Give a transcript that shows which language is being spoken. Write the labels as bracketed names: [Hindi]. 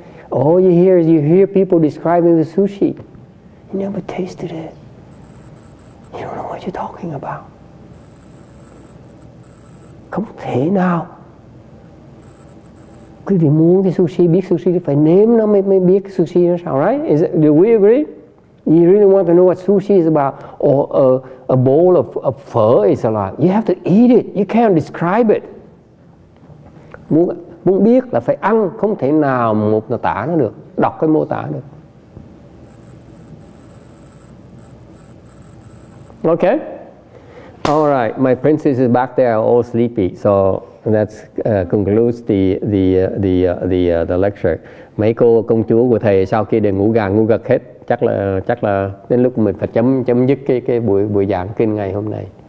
[English] All you hear people describing the sushi. You never tasted it. You don't know what you're talking about. [Vietnamese] Không thể nào. Quý vị muốn cái sushi, biết sushi thì phải nếm nó mới biết cái sushi nó sao, right? [English] Do we agree? You really want to know what sushi is about, or a bowl of pho is like. You have to eat it. You can't describe it. [Vietnamese] Muốn biết là phải ăn, không thể nào một người tả nó được, đọc cái mô tả được. [English] Okay. All right, my princess is back there all sleepy. So that's concludes the lecture. [Vietnamese] Mấy cô công chúa của thầy sau kia đều ngủ gật hết, chắc là đến lúc mình phải chấm dứt cái buổi giảng kinh ngày hôm nay.